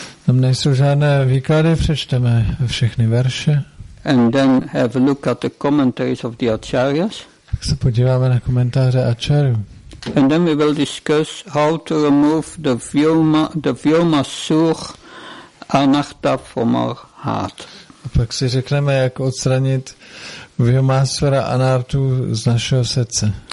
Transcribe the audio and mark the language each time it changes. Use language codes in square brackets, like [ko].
[cs] Tam nejsou žádné výklady, přečteme všechny verše. [en] And then have a look at the commentaries of the acharyas. [cs] Tak se podíváme na komentáře acharyů. [en] And then we will discuss how to remove the vyoma sur anachta from our heart. [cs] A pak si řekneme, jak odstranit vyomásvara anartu z našeho srdce.